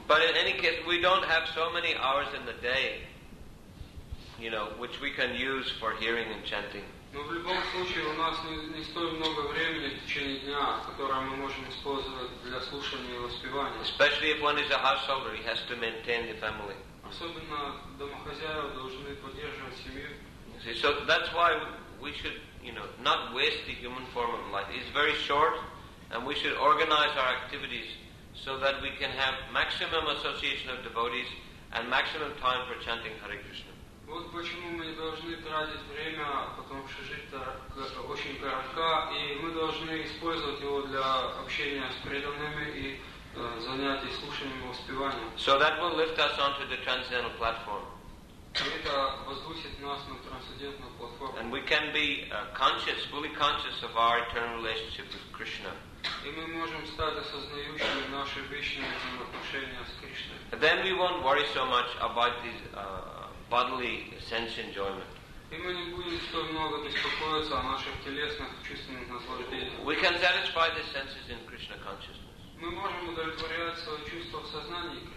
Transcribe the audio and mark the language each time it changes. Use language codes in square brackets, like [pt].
[en] But in any case, we don't have so many hours in the day, you know, which we can use for hearing and chanting. [ru] Но в любом случае у нас не столь много времени в течение дня, которое мы можем использовать для слушания и воспевания. [en] Especially if one is a householder, he has to maintain the family. [ru] Особенно домохозяева должны поддерживать семью. [en] See, so that's why we should, you know, not waste the human form of life. It's very short, and we should organize our activities so that we can have maximum association of devotees and maximum time for chanting Hare Krishna. [ru] Вот почему мы не должны тратить время, потому что жизнь-то очень коротка, и мы должны использовать его для общения с преданными и занятий слушанием и воспеванием. [en] So that will lift us onto the transcendental platform. [ru] Это воздвигнет нас на трансцендентную платформу. [en] And we can be conscious, fully conscious of our eternal relationship with Krishna. [ru] И мы можем стать осознающими наши вечные взаимоотношения с Кришной. [en] Then we won't worry so much about these bodily sense enjoyment. We can satisfy the senses in Krishna consciousness.